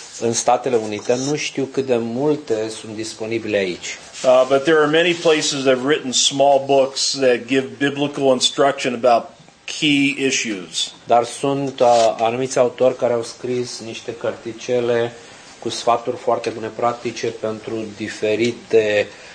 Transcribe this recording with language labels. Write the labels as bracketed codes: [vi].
[ro] În Statele Unite nu știu cât de multe sunt disponibile aici. [en] But there are many places that have written small books that give biblical instruction about key issues. [ro] Dar sunt anumiți autori care au scris niște cărticele cu sfaturi foarte bune practice pentru diferite